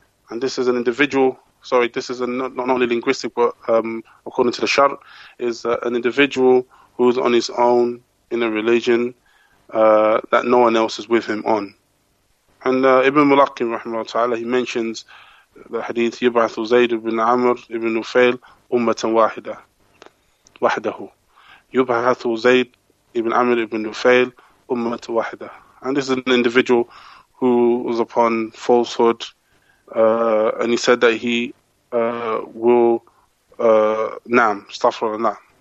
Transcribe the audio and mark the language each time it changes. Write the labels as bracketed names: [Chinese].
[English] And this is an individual, sorry, this is a not only linguistic, but according to the shar, is an individual who's on his own in a religion that no one else is with him on. And Ibn Mulaqim, rahimahullah ta'ala, he mentions the hadith, [Arabic] يبعث زيد بن عمر بن نفيل أمة واحدة وحده. يبعث زيد بن عمر بن نفيل أمة واحدة. [English] And this is an individual who was upon falsehood, and he said that he will nam stuff from that.